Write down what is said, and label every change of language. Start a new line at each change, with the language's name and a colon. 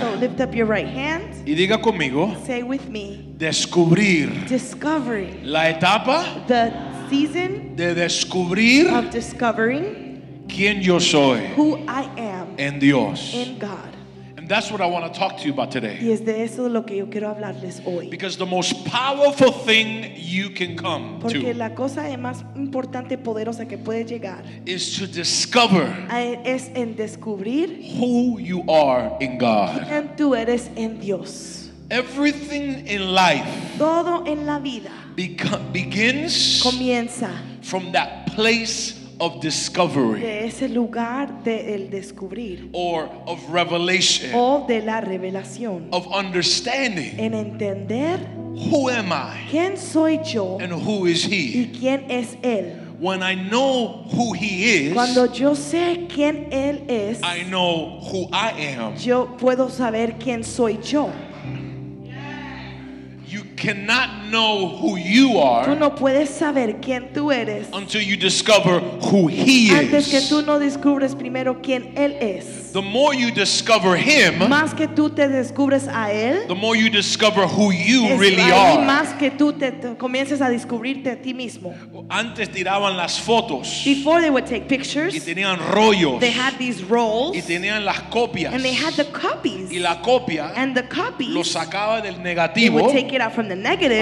English: So lift up your right hand.
Spanish: Y diga conmigo.
English: Say with me.
Spanish: Descubrir.
English: Discovery.
Spanish: La etapa.
English: The season.
Spanish: De descubrir.
English: Of discovering.
Spanish: Quién yo soy.
English: Who I am.
Spanish: En Dios.
English: In God. That's what I want to talk to you about today.
Spanish: Y es de eso lo que yo quiero hablarles hoy.
English: Because the most powerful thing you can come
Spanish: porque la cosa más importante, poderosa que puede llegar
English: is to discover
Spanish: es en descubrir
English: who you are in God.
Spanish: Quién tú eres en Dios.
English: Everything in life
Spanish: todo en la vida
English: begins
Spanish: comienza
English: from that place of discovery,
Spanish: de ese lugar de el descubrir,
English: or of revelation,
Spanish: o de la revelación,
English: of understanding,
Spanish: en entender,
English: who am I,
Spanish: quién soy yo,
English: and who is he,
Spanish: y quién es él.
English: When I know who he is,
Spanish: cuando yo sé quién él es,
English: I know who I am.
Spanish: Yo puedo saber quién soy yo.
English: You cannot know who you are
Spanish: tú no puedes saber quién tú eres
English: until you discover who he is.
Spanish: Antes que tú no descubres primero quién él es.
English: The more you discover him,
Spanish: más que tú te descubres a él,
English: the more you discover who you really are.
Spanish: Más que tú te comiences a descubrirte a ti mismo. Antes tiraban las fotos.
English: Before they would take pictures.
Spanish: Y tenían rollos.
English: They had these rolls.
Spanish: Y tenían las copias.
English: And they had the copies.
Spanish: Y la copia
English: and the copies,
Spanish: lo sacaba del negativo.
English: Out from the the negative,